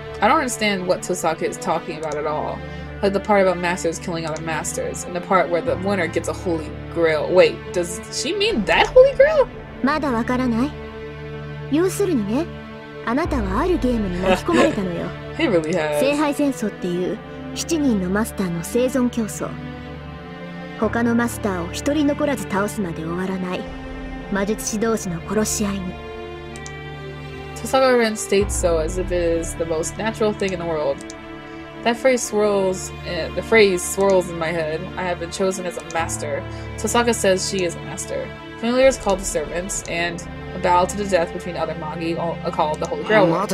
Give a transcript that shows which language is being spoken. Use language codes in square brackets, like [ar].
[en] I don't understand what Tosaka is talking about at all. Like the part about masters killing other masters, and the part where the winner gets a holy grail. Wait, does she mean that holy grail? [ja] まだわからない? 要するにね、あなたはあるゲームに巻き込まれたのよ。 [en] He really has. [ja] 聖杯戦争っていう7人のマスターの生存競争。他のマスターを1人残らず倒すまで終わらない魔術師同士の殺し合いに。 [en] Tosaka Ren states so as if it is the most natural thing in the world. The phrase swirls in my head. I have been chosen as a master. Tosaka says she is a master. Familiar is called the servants, and a battle to the death between other Magi are called the Holy Grail.